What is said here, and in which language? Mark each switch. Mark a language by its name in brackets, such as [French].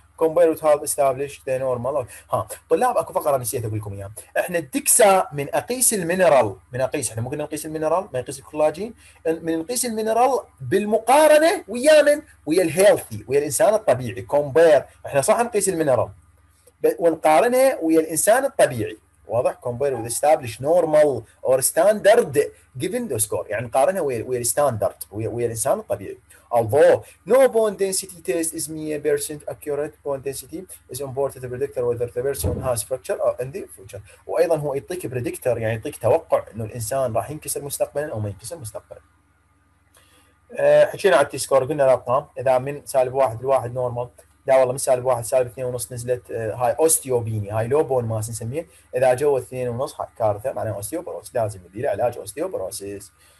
[English] Compared have establish the normal. [Arabic] ها طلاب اكو فقره نسيت اقول لكم اياها، احنا الدكسا من اقيس المينرال، من اقيس احنا ممكن نقيس المينرال ما نقيس الكولاجين، من نقيس المينرال بالمقارنه ويا من؟ ويا الهيلثي، ويا الانسان الطبيعي. كومبير احنا صح نقيس المينرال ونقارنها ويا الانسان الطبيعي، واضح؟ [English] compare with establish normal or standard given the score، [Arabic] يعني نقارنها ويا الستاندرد ويا الانسان الطبيعي. [English] although no bone density test is 100% accurate, bone density is important predictor whether the person has fracture or in the future. [Arabic] وايضا هو يعطيك predictor يعني يعطيك توقع انه الانسان راح ينكسر مستقبلا او ما ينكسر مستقبلا. حكينا على التي سكور، قلنا الارقام اذا من سالب 1 ل 1 نورمال، لا والله مش سالب واحد، سالب اثنين ونص نزلت. هاي اوستيوبيني، هاي لو بون ماس نسميه، اذا جو اثنين ونص كارثه، معناه اوستيوبروس، لازم يدير علاج اوستيوبروسيس.